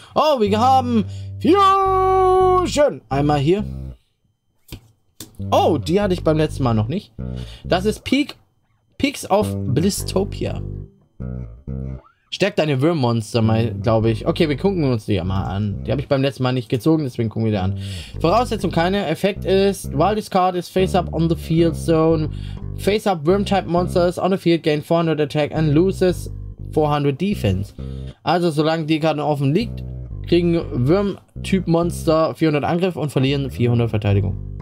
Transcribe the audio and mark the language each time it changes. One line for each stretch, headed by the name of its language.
German: Oh, wir haben Fusion. Einmal hier. Oh, die hatte ich beim letzten Mal noch nicht. Das ist Peaks of Blistopia. Stärkt deine Würmmonster mal, glaube ich. Okay, wir gucken uns die ja mal an. Die habe ich beim letzten Mal nicht gezogen, deswegen gucken wir die an. Voraussetzung keine. Effekt ist,
English: while this card is face up on the field zone, face up worm type monsters on the field gain 400 attack and loses 400 defense.
German: Also, solange die Karte offen liegt, kriegen Würm-Typ-Monster 400 Angriff und verlieren 400 Verteidigung.